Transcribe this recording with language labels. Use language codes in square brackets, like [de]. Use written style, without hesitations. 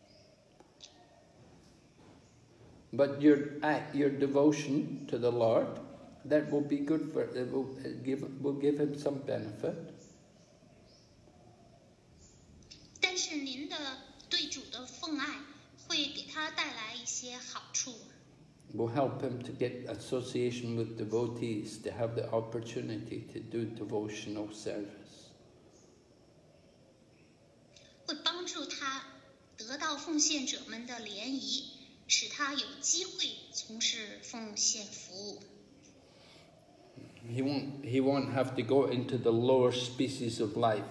[zh] 对他是有帮助的，有好处的。但是呢，如果一个人他不想从事奉爱服务，也不能强迫他从事奉献服务。 [en] But your devotion to the Lord, that will be good for it. Will give him some benefit. [zh] 但是您的对主的奉爱会给他带来一些好处。 [en] Will help him to get association with devotees to have the opportunity to do devotional service. [zh] 会帮助他得到奉献者们的联谊，使他有机会从事奉献服务。 [en] He won't have to go into the lower species of life.